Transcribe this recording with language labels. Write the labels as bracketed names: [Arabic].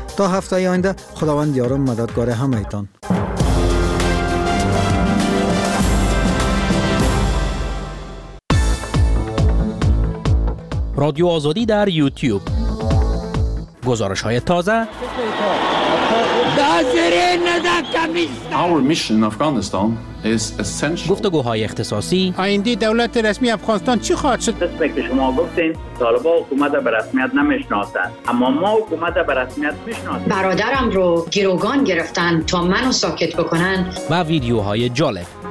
[Persian] تا هفته آینده خداوند یار و مددگار همه‌تان. رادیو آزادی در یوتیوب، گزارش های تازه. [English] Our mission in Afghanistan is essential. [Persian] گفتگوهای اختصاصی. آیندی دولت رسمی افغانستان چی خواهد شد؟ قسمی که شما گفتین طالبا حکومت به رسمیت نمیشناسند، اما ما حکومت به رسمیت میشناسند. برادرم رو گروگان گرفتن تا منو ساکت بکنن. و ویدیوهای جالب.